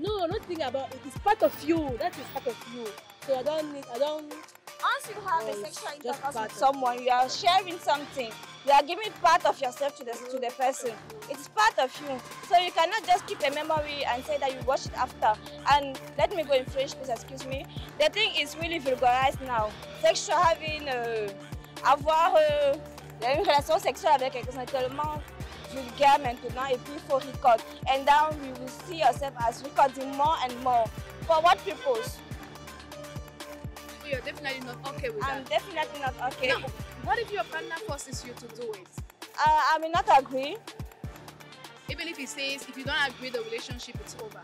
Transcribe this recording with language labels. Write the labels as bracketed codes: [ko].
[en] No, not think about it. It's part of you. That is part of you. So I don't need. Once you have a sexual intercourse with someone, you are sharing something. You are giving part of yourself to the person. It is part of you. So you cannot just keep a memory and say that you wash it after. And let me go in French, please, excuse me. The thing is really vulgarized now. Sexual having, [fr] avoir une relation sexuelle avec quelqu'un, c'est tellement vulgaire maintenant et puis faut record. [en] And now you will see yourself as recording more and more. For what purpose? You're definitely not okay with I'm definitely not okay. Now, what if your partner forces you to do it? I may not agree. Even if he says, if you don't agree, the relationship is over.